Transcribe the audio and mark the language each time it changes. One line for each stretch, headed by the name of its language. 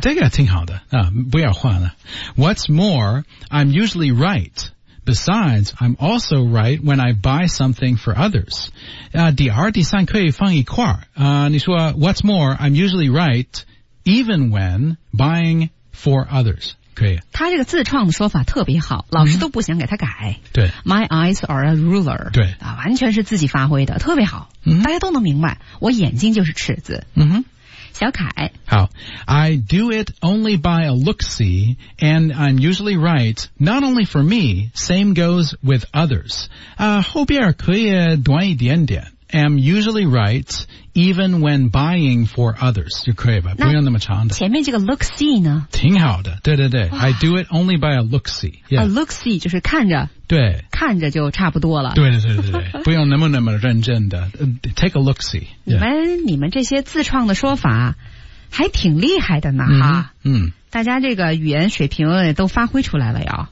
Chinese: 这个挺好的、不要换了
English: What's more I'm usually rightBesides, I'm also right when I buy something for others.、
Chinese: 第二第三可以放一块、你说
English: What's more I'm usually rightEven when buying for others.
Chinese: 可以。他这个自创的说法特别好老师都不想给他改。对。
English: My eyes are a ruler.
Chinese: 对。啊完全是自己发挥的特别好。大家都能明白我眼睛就是尺子。小凯。好。
English: I do it only by a look-see, and I'm usually right, not only for me, same goes with others.
Chinese: 后边可以短一点点。
English: Am usually right, even when buying for others.
Chinese: 就可以吧，不用那么长的。前面这个 look-see 呢？挺好的，对对对。
English: I do it only by a look-see.、
Chinese: A look-see 就是看着。对。看着就差不多了。对对对对对，不用那么认真的。
English: Take a look-see.、
Chinese: 你们这些自创的说法还挺厉害的呢，大家这个语言水平都发挥出来了哟。